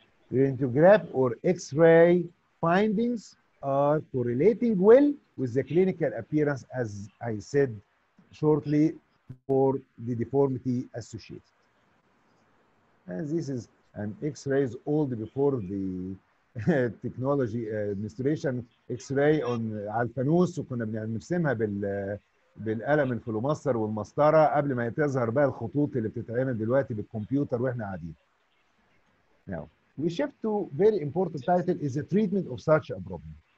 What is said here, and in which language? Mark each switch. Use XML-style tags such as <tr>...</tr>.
<en>The radiograph or X-ray findings are correlating well with the clinical appearance, as I said shortly, for the deformity associated. And this is an X-ray old before the</en> <ar>تكنولوجي ادمنستريشن اكس راي اون على الفانوس، وكنا بنرسمها بالقلم الفلوماستر والمسطره قبل ما تظهر بقى الخطوط اللي بتتعمل دلوقتي بالكمبيوتر واحنا قاعدين.</ar> <en>Now we shift to very important title is the treatment of such a problem.</en>